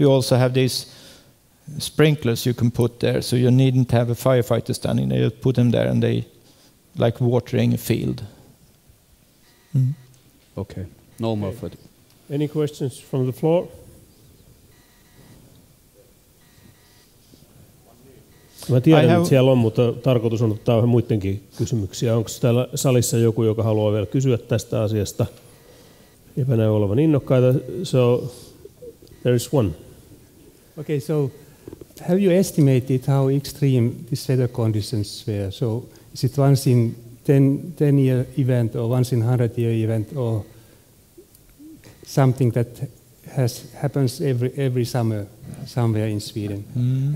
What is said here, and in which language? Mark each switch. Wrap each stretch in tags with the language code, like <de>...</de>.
<en>We also have these sprinklers you can put there, so you needn't have a firefighter standing there. You put them there, and they like watering a field. Mm-hmm. Okay, no more for the- Any questions from the floor?</en> <fi>Mä tiedän, että siellä on, mutta tarkoitus on ottaa vähän muidenkin kysymyksiä. Onko täällä salissa joku, joka haluaa vielä kysyä tästä asiasta? Eipä näy olevan innokkaita.</fi> <en>So, there is one. Okay, so have you estimated how extreme these weather conditions were? So, is it once in 10-year event or once in 100-year event or something that happens every summer somewhere in Sweden? Mm.</en>